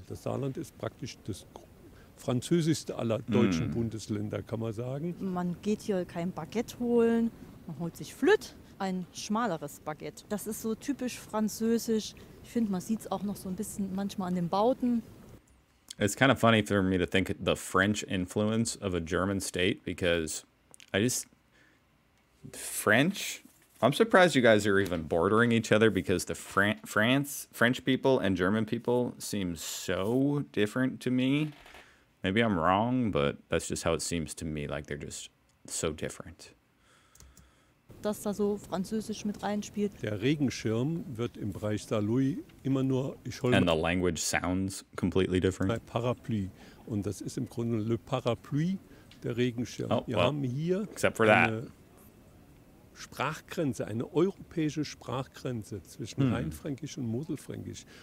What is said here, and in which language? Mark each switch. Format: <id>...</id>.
<de>Das Saarland ist praktisch das französischste aller deutschen Bundesländer, kann man sagen. Man geht hier kein Baguette holen, man holt sich Flüt, ein schmaleres Baguette. Das ist so typisch französisch. Ich finde, man sieht es auch noch so ein bisschen manchmal an den Bauten.</de> <en>It's kind of funny for me to think the French influence of a German state, because I just, French, I'm surprised you guys are even bordering each other, because the French people and German people seem so different to me. Maybe I'm wrong, but that's just how it seems to me, like they're just so different.</en> <de>Dass da so französisch mit reinspielt. Der Regenschirm wird im Bereich Saarlouis immer nur Scholmen.</de> <en>And the language sounds completely different.</en> <de>Bei Parapluie. Und das ist im Grunde</de> <fr>le parapluie,</fr> <de>der Regenschirm.</de> <en>Oh,</en> <de>wir haben hier</de> <en>except for that.</en> <de>Eine Sprachgrenze, eine europäische Sprachgrenze zwischen Rheinfränkisch und Moselfränkisch.</de>